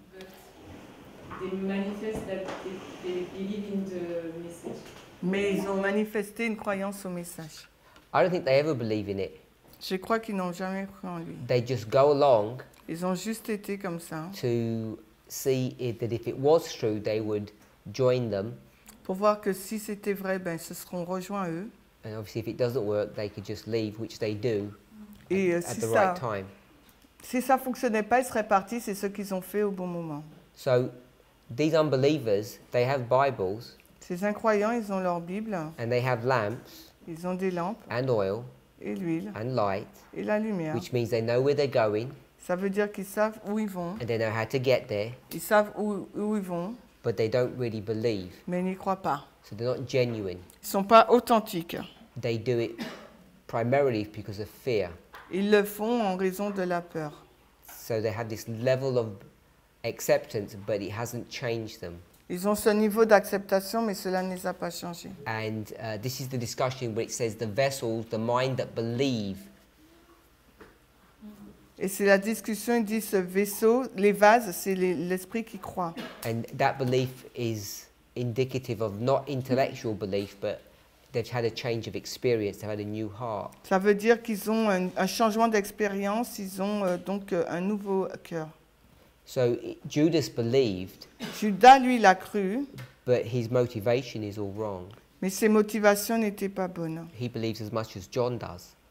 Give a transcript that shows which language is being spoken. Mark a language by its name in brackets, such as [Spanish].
[English] But they manifest that they believe in the message. [French] Mais ils ont manifesté une croyance au message. [English] I don't think they ever believe in it. [French] Je crois qu'ils n'ont jamais cru en lui. [English] They just go along. [French] Ils ont juste été comme ça. [English] To see it, that if it was true, they would join them. [French] Pour voir que si c'était vrai, ben ce seront rejoints eux. [English] And obviously, if it doesn't work, they could just leave, which they do right time. [French] Si ça fonctionnait pas, ils seraient partis. C'est ce qu'ils ont fait au bon moment. [English] So these unbelievers, they have Bibles. [French] Ces incroyants, ils ont leur Bible. [English] And they have lamps. [French] Ils ont des lampes. [English] And oil. [French] Et l'huile. [English] And light. [French] Et la lumière. [English] Which means they know where they're going. [French] Ça veut dire qu'ils savent où ils vont. [English] And they know how to get there. [French] Ils savent où ils vont. [English] But they don't really believe. [French] Mais ils n'y croient pas. [English] So they're not genuine. [French] Ils sont pas authentiques. [English] They do it primarily because of fear. [French] Ils le font en raison de la peur. [English] So they have this level of acceptance, but it hasn't changed them. [French] Ils ont ce niveau d'acceptation, mais cela ne les a pas changés. [English] And this is the discussion where it says the vessels, the mind that believe. [French] Et c'est la discussion, ils disent ce vaisseau, les vases, c'est l'esprit qui croit. [English] And that belief is indicative of not intellectual belief, but they've had a change of experience, they've had a new heart. [French] Ça veut dire qu'ils ont un changement d'expérience, ils ont donc un nouveau cœur. [English] So Judas believed. [French] Judas lui l'a cru. [English] But his motivation is all wrong. [French] Mais ses motivations n'étaient pas bonnes. [English] He believes as much as John does.